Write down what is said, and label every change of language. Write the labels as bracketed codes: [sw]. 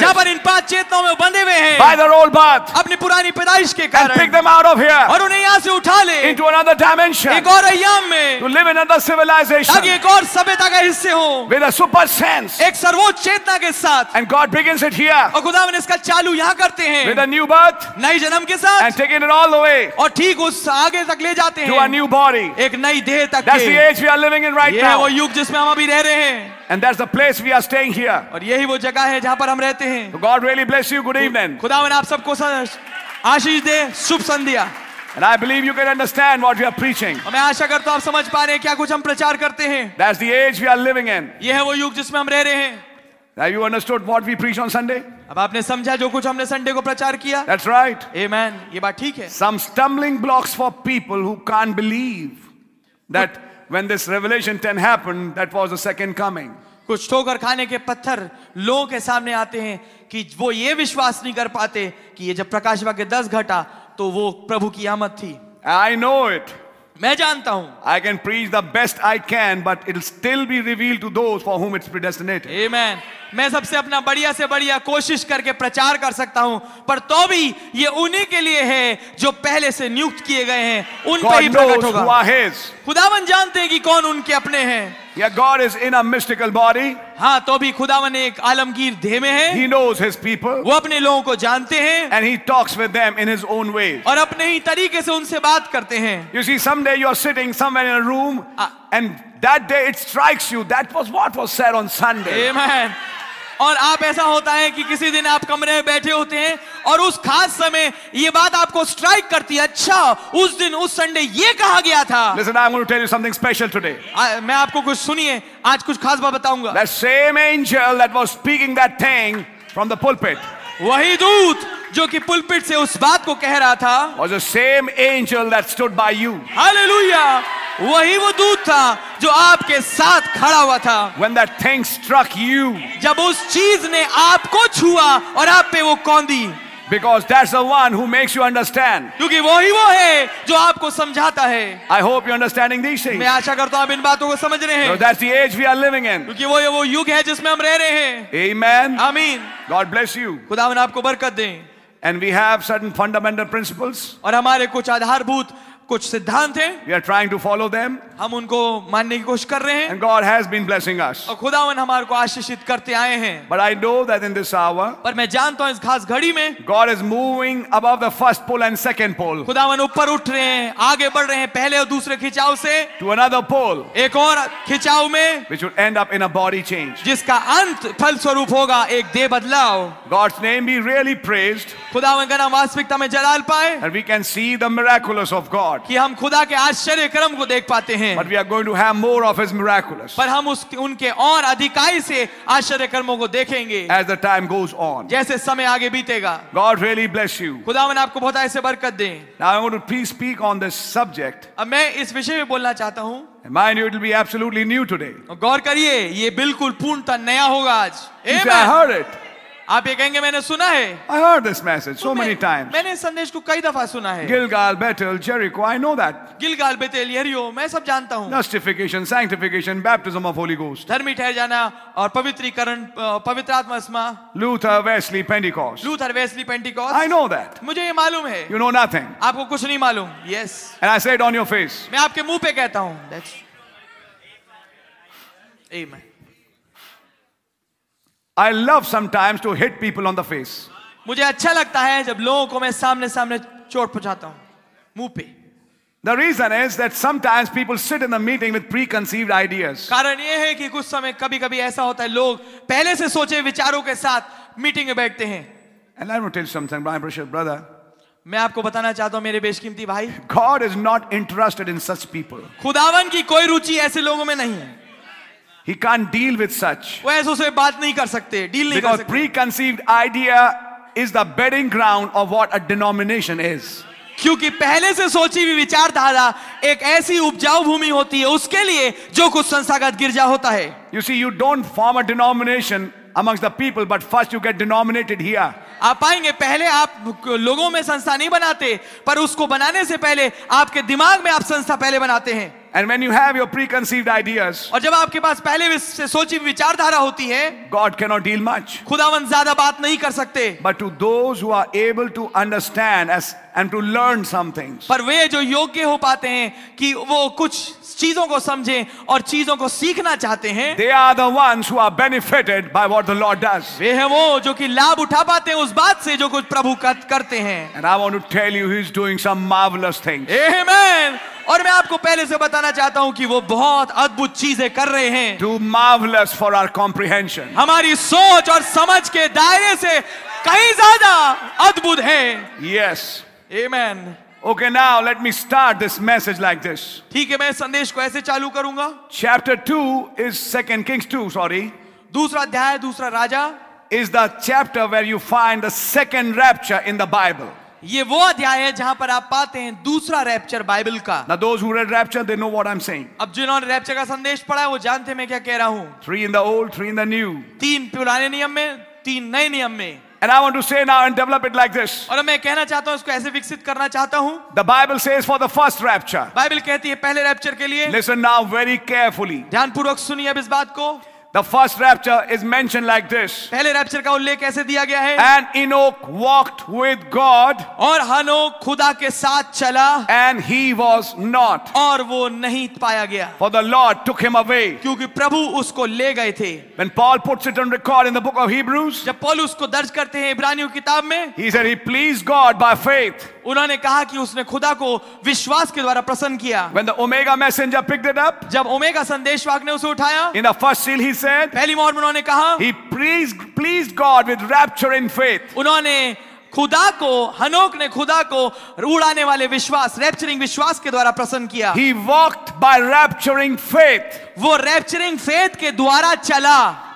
[hi] जहां पर इन पांच चेतनों में बंधे हुए हैं [en] by their old birth, [hi] अपनी पुरानी पैदाइश के कारण [en] and pick them out of here. [hi] और उन्हें दुनिया से उठा ले [en] into another dimension, [hi] एक और अयाम में [en] to live another civilization, [hi] ताकि एक और सभ्यता का हिस्से हो [en] with a super sense, [hi] एक सर्वोच्च चेतना के साथ [en] and God begins it here, [hi] और खुदा ने इसका चालू यहाँ करते हैं [en] with a new birth, [hi] नई जन्म के साथ [en] and taking it all the way, [hi] और ठीक उस आगे तक ले जाते हैं [en] to a new body, [hi] एक नई देह तक. [en] That's the age we are living in right now, [hi] वो युग जिसमें हम अभी रह रहे हैं. [en] And that's the place we are staying here. [hi] और यही वो जगह है जहाँ पर हम रहते हैं. [en] So God really bless you. Good evening. [hi] खुदावन आप सबको आशीष दे, शुभ संध्या. [en] And I believe you can understand what we are preaching. [hi] और मैं आशा करता हूँ आप समझ पा रहे हैं क्या कुछ हम प्रचार करते हैं. [en] That's the age we are living in. [hi] ये है वो युग जिसमें हम रह रहे हैं. [en] Have you understood what we preach on Sunday? [hi] अब आपने समझा जो कुछ हमने संडे को प्रचार किया? [en] That's right. [hi] Amen. ये बात ठीक है. [en] Some stumbling blocks for people who can't believe that. When this Revelation 10 happened, that was the second coming. [hi] कुछ ठोकर खाने के पत्थर लोगों के सामने आते हैं कि वो ये विश्वास नहीं कर पाते कि ये जब प्रकाश वाक्य 10 घटा तो वो प्रभु की आमद थी. [en] I know it. [hi] मैं जानता हूँ. [en] I can preach the best I can, but it'll still be revealed to those for whom it's predestinated. Amen. [hi] मैं सबसे अपना बढ़िया से बढ़िया कोशिश करके प्रचार कर सकता हूँ, पर तो भी ये उन्हीं के लिए है जो पहले से नियुक्त किए गए हैं, उन पर ही प्रकट होगा. खुदावन जानते हैं कि कौन उनके अपने हैं. [en] Yeah, God is in a mystical body. [hi] हाँ, तो भी खुदावन एक आलमगीर देह में है. [en] He knows his people. [hi] वो अपने लोगों को जानते हैं. [en] And he talks with them in his own way. [hi] और अपने ही तरीके से उनसे बात करते हैं. [en] You see, someday you are sitting somewhere in a room, and that day it strikes you that was what was said on Sunday. Amen. [hi] और आप ऐसा होता है कि किसी दिन आप कमरे में बैठे होते हैं और उस खास समय ये बात आपको स्ट्राइक करती है, अच्छा उस दिन उस संडे ये कहा गया था. [en] Listen, I'm going to tell you something special today. [hi] मैं आपको कुछ सुनिए, आज कुछ खास बात बताऊंगा. [en] That same angel that was speaking that thing from the pulpit. [hi] वही दूत जो कि पुलपिट से उस बात को कह रहा था. [en] Was the same angel that stood by you. Hallelujah. [hi] वही वो दूत था जो आपके साथ खड़ा हुआ था. [en] When that thing struck you, [hi] जब उस चीज ने आपको छुआ और आप पे वो कौंधी. [en] Because that's the one who makes you understand. [hi] क्योंकि वही वो है जो आपको समझाता है. [en] I hope you're understanding these things. [hi] मैं आशा करता हूँ आप इन बातों को समझ रहे हैं. [en] So that's the age we are living in. [hi] क्योंकि वो युग है जिसमें हम रह रहे हैं. [en] Amen. [hi] आमीन. [en] God bless you. [hi] खुदावन आपको बरकत दे. [en] And we have certain fundamental principles. [hi] और हमारे कुछ आधारभूत कुछ सिद्धांत हैं. [en] We are trying to follow them. [hi] हम उनको मानने की कोशिश कर रहे हैं. [en] And God has been blessing us. [hi] और खुदावन हमारे को आशीषित करते आए हैं. [en] But I know that in this hour, [hi] पर मैं जानता हूँ इस खास घड़ी में, [en] God is moving above the first pole and second pole. [hi] खुदावन ऊपर उठ रहे हैं, आगे बढ़ रहे हैं पहले और दूसरे खिंचाव से, [en] to another pole, [hi] एक और खिंचाव में, [en] which would end up in a body change. [hi] जिसका अंत फल स्वरूप होगा एक देह बदलाव. [en] God's name be really praised. [hi] खुदावन का नाम वास्तविकता में जलाल पाए. [en] And we can see the miraculous of God. [hi] कि हम खुदा के आश्चर्य क्रम को देख पाते हैं. [en] But we are going to have more of his miraculous. [hi] पर हम उनके और अधिकाई से आश्चर्य क्रमों को देखेंगे. [en] As the time goes on. [hi] जैसे समय आगे बीतेगा. [en] God really bless you. [hi] खुदावन आपको बहुत ऐसे बरकत दे. [en] Now I want to please speak on this subject. [hi] अब मैं इस विषय में बोलना चाहता हूँ. [en] Mind you, it will be absolutely new today. [hi] गौर करिए, ये बिल्कुल पूर्णतः नया होगा आज. [en] Amen. I heard it. [hi] आप ये कहेंगे मैंने सुना है. [en] I heard this message so many times. [hi] मैंने संदेश को कई दफा सुना है. [en] Gilgal, Bethel, Jericho, I know that. [hi] Gilgal, Bethel, Jericho, मैं सब जानता हूँ. [en] Justification, sanctification, baptism of Holy Ghost. [hi] धर्मी ठहर जाना और पवित्रीकरण, पवित्र आत्मा. [en] Luther, Wesley, Pentecost. Luther, Wesley, Pentecost. I know that. [hi] मुझे ये मालूम है. [en] You know nothing. [hi] आपको कुछ नहीं मालूम. [en] Yes. And I say it on your face. [hi] मैं आपके मुंह पे कहता हूँ. [en] Amen. I love sometimes to hit people on the face. [hi] मुझे अच्छा लगता है जब लोगों को मैं सामने सामने चोट पहुंचाता हूं मुंह पे. [en] The reason is that sometimes people sit in the meeting with preconceived ideas. [hi] कारण यह है कि कुछ समय कभी कभी ऐसा होता है लोग पहले से सोचे विचारों के साथ मीटिंग में बैठते हैं. [en] And I want to tell you something, my precious brother. [hi] मैं आपको बताना चाहता हूँ मेरे बेशकीमती भाई. [en] God is not interested in such people. [hi] खुदावन की कोई रुचि ऐसे लोगों में नहीं है. [en] He can't deal with such. [hi] वो ऐसे उसे बात नहीं कर सकते, डील नहीं कर सकते. [en] Because preconceived idea is the bedding ground of what a denomination is. [hi] क्योंकि पहले से सोची हुई विचारधारा एक ऐसी उपजाऊ भूमि होती है उसके लिए जो कुछ संस्थागत गिरजा होता है. [en] You see, you don't form a denomination amongst the people, but first you get denominated here. [hi] आप पाएंगे पहले आप लोगों में संस्था नहीं बनाते, पर उसको बनाने से पहले आपके दिमाग में आप संस्था पहले बनाते हैं. [en] And when you have your preconceived ideas, [hi] और जब आपके पास पहले से सोची विचारधारा होती है, [en] God cannot deal much. [hi] खुदावन ज़्यादा बात नहीं कर सकते. [en] But to those who are able to understand as and to learn some things. [hi] पर वे जो योग्य हो पाते हैं कि वो कुछ चीजों को समझें और चीजों को सीखना चाहते हैं. [en] They are the ones who are benefited by what the Lord does. [hi] वे हैं वो जो कि लाभ उठा पाते हैं उस बात से जो कुछ प्रभु करते हैं. [en] And I want to tell you, He's doing some marvelous things. Amen. [hi] और मैं आपको पहले से बताना चाहता हूं कि वो बहुत अद्भुत चीजें कर रहे हैं. [en] Too marvelous for our comprehension. [hi] हमारी सोच और समझ के दायरे से कहीं ज्यादा अद्भुत है. [en] Yes. Amen. Okay, now let me start this message like this. [hi] ठीक है, मैं संदेश को ऐसे चालू करूंगा. [en] Chapter 2 is 2 Kings 2, sorry. [hi] दूसरा अध्याय, दूसरा राजा. [en] Is the chapter where you find the second rapture in the Bible. [hi] ये वो अध्याय है जहां पर आप पाते हैं दूसरा रैप्चर बाइबल का. [en] Now those who read rapture, they know what I'm saying. [hi] अब जिन्होंने रैप्चर का संदेश पढ़ा है वो जानते हैं मैं क्या कह रहा हूं. [en] Three in the old, three in the new. [hi] तीन पुराने नियम में, तीन नए नियम में. [en] And I want to say now and develop it like this. [hi] और मैं कहना चाहता हूं, इसको ऐसे विकसित करना चाहता हूं. [en] The Bible says for the first rapture. [hi] Bible कहती है पहले रैप्चर के लिए. [en] Listen now very carefully. [hi] ध्यान पूर्वक सुनिए अब इस बात को. [en] The first rapture is mentioned like this. [hi] पहले रैप्चर का उल्लेख ऐसे दिया गया है. [en] And Enoch walked with God. [hi] और हनोक खुदा के साथ चला. [en] And he was not. [hi] और वो नहीं पाया गया. [en] For the Lord took him away. [hi] क्योंकि प्रभु उसको ले गए थे. [en] When Paul puts it on record in the book of Hebrews. [hi] जब पौलुस को दर्ज करते हैं इब्रानियों किताब में. [en] He said he pleased God by faith. [hi] उन्होंने कहा कि उसने खुदा को विश्वास के द्वारा प्रसन्न किया. [en] When the Omega messenger picked it up, [hi] जब ओमेगा संदेशवाहक ने उसे उठाया, [en] in the first seal he said, [hi] पहली मोहर में उन्होंने कहा, [en] he pleased God with rapture in faith. [hi] उन्होंने खुदा को, हनोक ने खुदा को उड़ाने वाले विश्वास, रैप्चरिंग विश्वास के द्वारा प्रसन्न किया. [en] He walked by rapturing faith. [hi] वो [en] rapturing faith [hi] के द्वारा चला.